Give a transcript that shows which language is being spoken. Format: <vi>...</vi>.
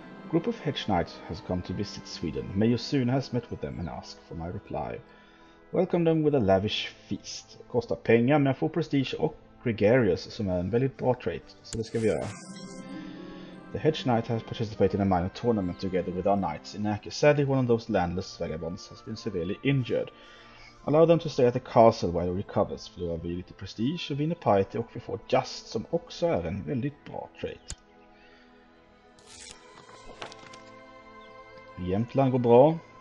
<en>Group of hedge knights has come to visit Sweden. May you soon has met with them and ask for my reply. Welcome them with a lavish feast.</en> <sv>Kostar pengar, men jag får prestige och gregarious, som är en väldigt bra trait, så det ska vi göra.</sv> <en>The hedge knight has participated in a minor tournament together with our knights in Aki. Sadly, one of those landless vagabonds has been severely injured. Allow them to stay at the castle while he recovers.</en> <sv>Förlorar vi lite prestige och vinner piety, och vi får just, som också är en väldigt bra trait. Jämtland går bra.</sv>